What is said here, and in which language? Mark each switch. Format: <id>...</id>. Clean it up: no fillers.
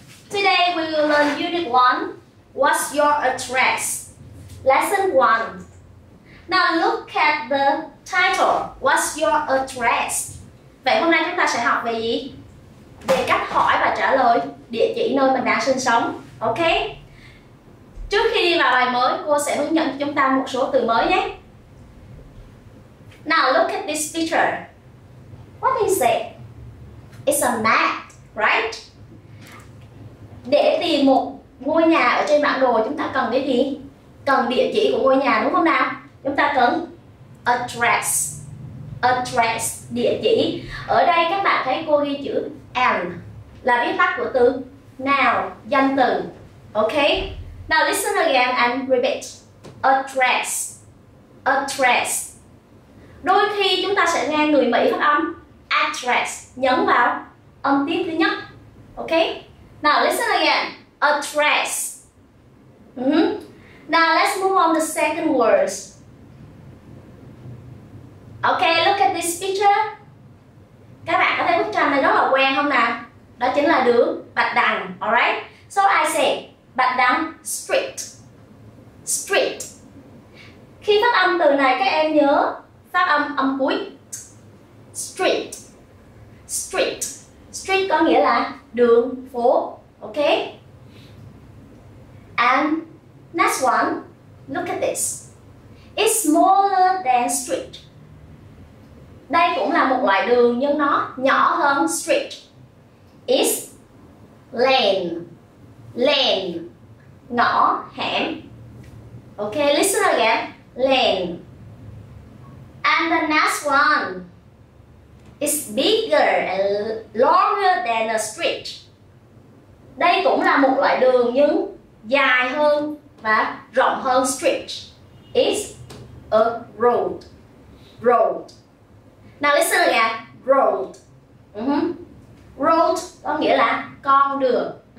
<en>Today we will learn Unit 1, What's Your Address? Lesson 1. Now look at the title, What's Your Address?</en> <vi>Vậy hôm nay chúng ta sẽ học về gì? Về cách hỏi và trả lời địa chỉ nơi mình đang sinh sống. Ok. Trước khi đi vào bài mới, cô sẽ hướng dẫn cho chúng ta một số từ mới nhé.</vi> <en>Now look at this picture. What is it? It's a map, right?</en> <vi>Để tìm một ngôi nhà ở trên bản đồ, chúng ta cần cái gì? Cần địa chỉ của ngôi nhà, đúng không nào? Chúng ta cần address. Address, địa chỉ. Ở đây các bạn thấy cô ghi chữ am là viết tắt của từ now, danh từ.</vi> <en>Ok. Now listen again and repeat. Address. Address.</en> <vi>Đôi khi chúng ta sẽ nghe người Mỹ phát âm address, nhấn vào âm tiết thứ nhất.</vi> <en>Ok. Now listen again. Address. Now let's move on to the second words. Okay, look at this picture.</en> <vi>Các bạn có thấy bức tranh này rất là quen không nào? Đó chính là đường Bạch Đằng, alright?</vi> <en>So I say Bạch Đằng Street. Street.</en> <vi>Khi phát âm từ này các em nhớ phát âm âm cuối. Street. Street. Street có nghĩa là đường, phố, okay?</vi> <en>And next one, look at this. It's smaller than street.</en> <vi>Đây cũng là một loại đường nhưng nó nhỏ hơn street.</vi> <en>It's lane. Lane.</en> <vi>Ngõ, hẻm.</vi> <en>Ok, listen again. Lane. And the next one. It's bigger and longer than a street.</en> <vi>Đây cũng là một loại đường nhưng dài hơn và rộng hơn street.</vi> <en>It's a road. Road. Now listen again, road.</en> <vi>Road có nghĩa là con đường.</vi>